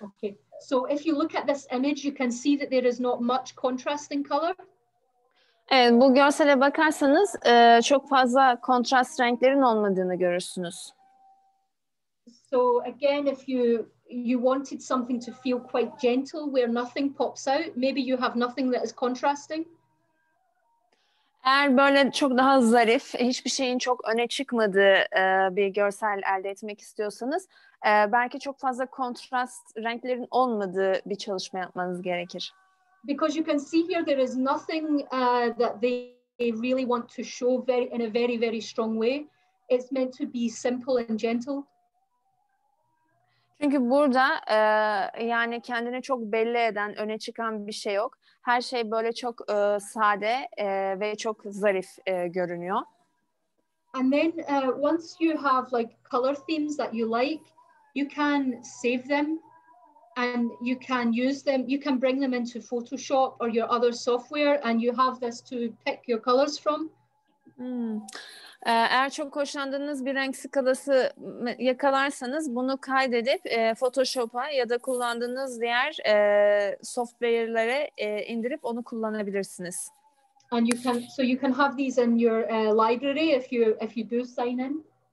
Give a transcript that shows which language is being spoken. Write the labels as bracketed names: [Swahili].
[English] Okay. So if you look at this image, you can see that there is not much contrasting color. [Turkish] Evet, bu görsele bakarsanız çok fazla kontrast renklerin olmadığını görürsünüz. [English] So again, if you wanted something to feel quite gentle, where nothing pops out, maybe you have nothing that is contrasting. Eğer böyle çok daha zarif, hiçbir şeyin çok öne çıkmadığı bir görsel elde etmek istiyorsanız, belki çok fazla kontrast renklerin olmadığı bir çalışma yapmanız gerekir. Because you can see here there is nothing that they really want to show very in a very very strong way. It's meant to be simple and gentle. [Turkish] Çünkü burada yani kendini çok belli eden, öne çıkan bir şey yok. Her şey böyle çok sade ve çok zarif görünüyor. [English] And then once you have like color themes that you like, you can save them. And you can use them, you can bring them into Photoshop or your other software, and you have this to pick your colors from. [Turkish] Eğer çok hoşlandığınız bir renk skalası yakalarsanız, bunu kaydedip Photoshop'a ya da kullandığınız diğer software'lere indirip onu kullanabilirsiniz. [English] And you can, so you can have these in your library if you do sign in.